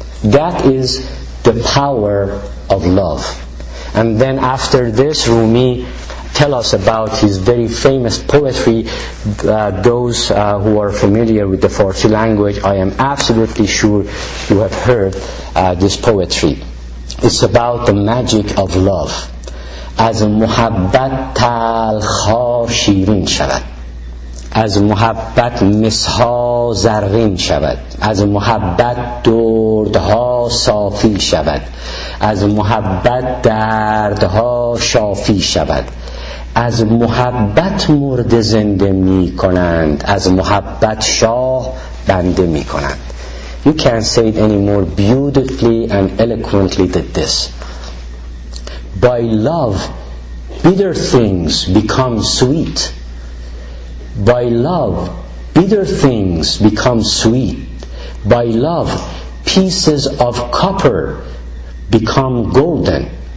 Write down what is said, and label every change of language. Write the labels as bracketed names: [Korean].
[English] That is the power of love. And then after this, Rumi tell us about his very famous poetry. Those who are familiar with the Farsi language, I am absolutely sure you have heard this poetry. It's about the magic of love. [Persian] از محبت تلخا شیرین شود، از محبت مسها زرین شود، از محبت دردها صافی شود، از محبت دردها شافی شود، از محبت مرد زنده می کنند، از محبت شاه بنده می کنند. [English] You can't say it any more beautifully and eloquently than this. By love, bitter things become sweet. By love, bitter things become sweet. By love, pieces of copper become golden.